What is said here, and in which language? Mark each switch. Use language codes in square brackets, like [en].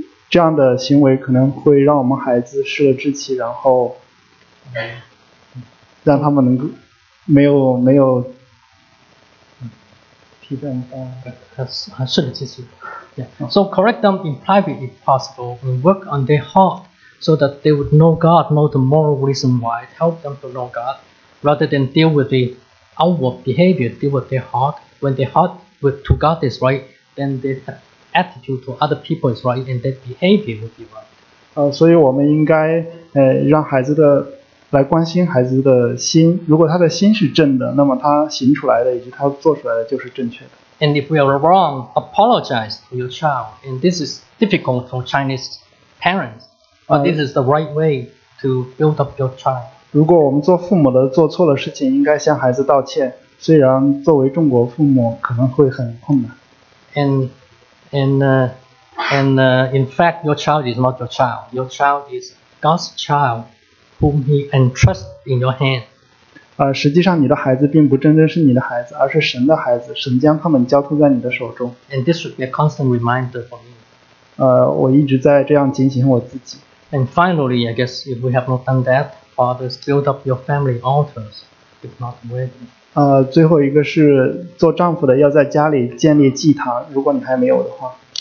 [zh] 这样的行为可能会让我们孩子失了志气，然后让他们能够没有 [en] tear them down. [zh] 失了志气。 [en] Yeah. So correct them in private if possible and work on their heart so that they would know God, know the moral reason why, help them to know God rather than deal with the outward behavior, deal with their heart. When their heart to God is right, then their attitude to other people is right and their behavior would be right. [zh] 所以我们应该让孩子的来关心孩子的心。如果他的心是正的，那么他行出来的以及他做出来的就是正确的。 [en] And if you are wrong, apologize to your child. And this is difficult for Chinese parents, but this is the right way to build up your child. [zh] 如果我们做父母的做错了事情，应该向孩子道歉。虽然作为中国父母可能会很困难。 [en] In fact, your child is not your child. Your child is God's child, whom He entrusted in your hand. [zh] 实际上你的孩子并不真正是你的孩子，而是神的孩子。神将他们交托在你的手中。 [en] And this should be a constant reminder for me. [zh] 我一直在这样警醒我自己。 [en] And finally, I guess if we have not done that, fathers build up your family altars, if not wedding. [zh] 最后一个是做丈夫的要在家里建立祭坛，如果你还没有的话。